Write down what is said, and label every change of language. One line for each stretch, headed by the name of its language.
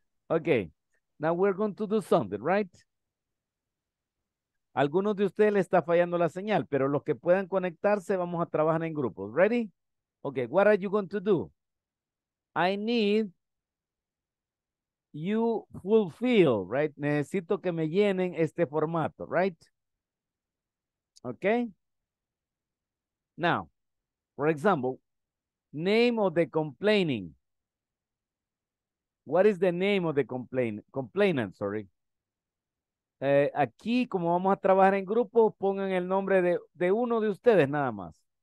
English: Okay, now we're going to do something, right?
Spanish: Algunos de ustedes les está fallando la señal, pero los que puedan conectarse, vamos a trabajar en grupos.
English: Ready? Okay, what are you going to do? I need you fulfill, right?
Spanish: Necesito que me llenen este formato,
English: right? Okay? Now, for example, name of the complaining. What is the name of the complainant, sorry.
Spanish: Aquí, como vamos a trabajar en grupo, pongan el nombre de uno de ustedes nada más.